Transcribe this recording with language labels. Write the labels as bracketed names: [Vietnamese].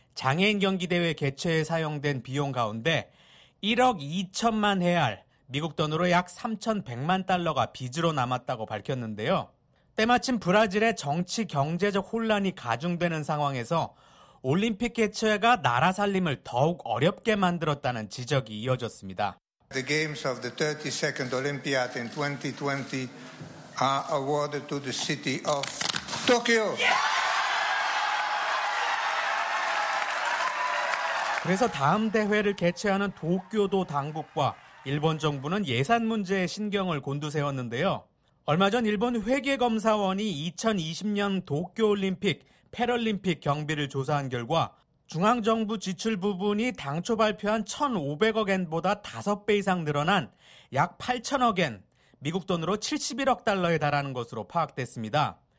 [Korean] 장애인 경기대회 개최에 사용된 비용 가운데 1억 2천만 헤알, 미국 돈으로 약 3,100만 달러가 빚으로 남았다고 밝혔는데요. 때마침 브라질의 정치 경제적 혼란이 가중되는 상황에서 올림픽 개최가 나라 살림을 더욱 어렵게 만들었다는 지적이 이어졌습니다. [English] The games of the 32nd Olympiad in 2020 are awarded to the city of Tokyo. [Korean] 그래서 다음 대회를 개최하는 도쿄도 당국과 일본 정부는 예산 문제에 신경을 곤두세웠는데요. 얼마 전 일본 회계검사원이 2020년 도쿄올림픽, 패럴림픽 경비를 조사한 결과 중앙정부 지출 부분이 당초 발표한 1,500억 엔보다 5배 이상 늘어난 약 8,000억 엔, 미국 돈으로 71억 달러에 달하는 것으로 파악됐습니다.